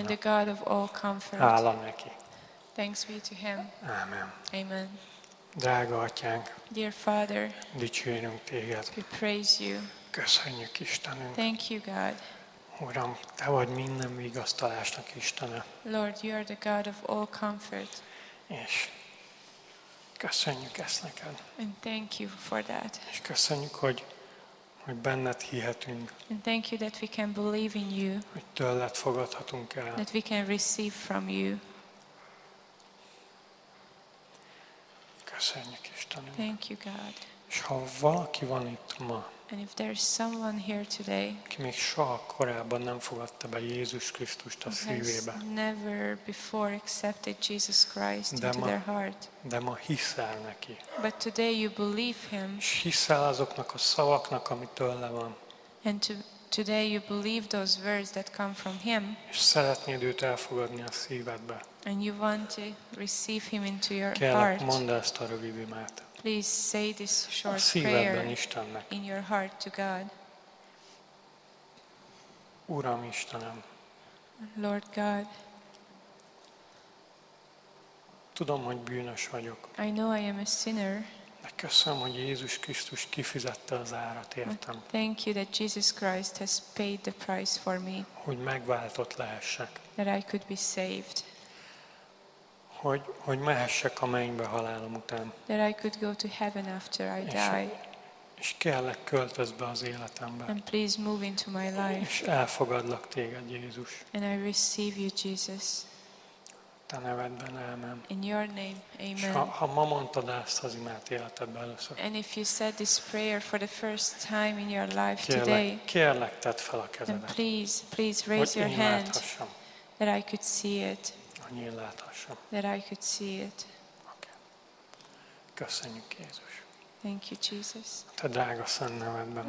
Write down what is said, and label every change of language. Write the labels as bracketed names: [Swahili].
[English] And the God of all comfort. [Hungarian] Hála neki. [English] Thanks be to him. Amen. Amen. [Hungarian] Drága atyánk. [English] Dear Father. [Hungarian] Dicsérünk téged. [English] We praise you. [Hungarian] Köszönjük Istenünk. [English] Thank you God. [Hungarian] Uram, te vagy minden vigasztalásnak Istene. [English] Lord, you are the God of all comfort. [Hungarian] És köszönjük ezt neked. [English] And thank you for that. [Hungarian] És köszönjük, hogy benned hihetünk. [English] And thank you that we can believe in you. [Hungarian] Hogy tőled fogadhatunk el. [English] That we can receive from you. [Hungarian] Köszönjük Istenünk. [English] Thank you God. [Hungarian] És ha valaki van itt ma. [English] And if there is someone here today. [Hungarian] Aki még soha korábban nem fogadta be Jézus Krisztust a szívébe. [English] Has never before accepted Jesus Christ into their heart. [Hungarian] De ma hiszel neki. [English] But today you believe him. [Hungarian] És hiszel azoknak a szavaknak, amit tőle van. [English] And today you believe those words that come from him. [Hungarian] És szeretnéd őt elfogadni a szívedbe. [English] And you want to receive him into your [Hungarian] heart. Mondd ezt a rövid imát. [English] Please say this short prayer in your heart to God. [Hungarian] Uram Istenem. [English] Lord God. [Hungarian] Tudom, hogy bűnös vagyok. [English] I know I am a sinner. [Hungarian] De köszönöm, hogy Jézus Krisztus kifizette az árat értem. [English] Thank you that Jesus Christ has paid the price for me. [Hungarian] Hogy megváltott lehessek. [English] That I could be saved. [Hungarian] Hogy mehessek a mennybe halálom után. [English] That I could go to heaven after I die. [Hungarian] És kérlek, költözz be az életembe. [English] And please move into my life. [Hungarian] És elfogadlak téged, Jézus. [English] And I receive you, Jesus. [Hungarian] Te nevedben, amen. [English] In your name, amen. [Hungarian] És ha ma mondtad ezt az imát életedben először. [English] And if you said this prayer for the first time in your life [Hungarian] kérlek, [English] today. [Hungarian] Kérlek, tedd fel a kezedet. [English] And please raise your hand. That I could see it. That I could see it. Okay. [Hungarian] Köszönjük Jézus. [English] Thank you Jesus. [Hungarian] Te drága szent nevedben.